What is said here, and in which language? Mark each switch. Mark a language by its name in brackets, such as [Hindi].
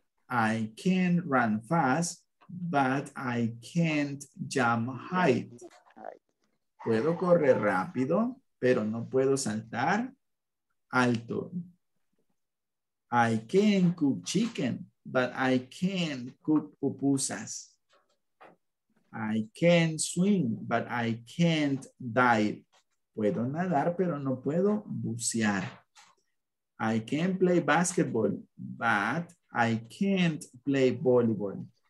[English] I can run fast, but I can't jump high. [Spanish] Puedo correr rápido, pero no puedo saltar alto. [English] I can cook chicken, but I can't cook pupusas. I can swim, but I can't dive. [Spanish] Puedo nadar, pero no puedo bucear. [English] I can play basketball, but I can't play volleyball.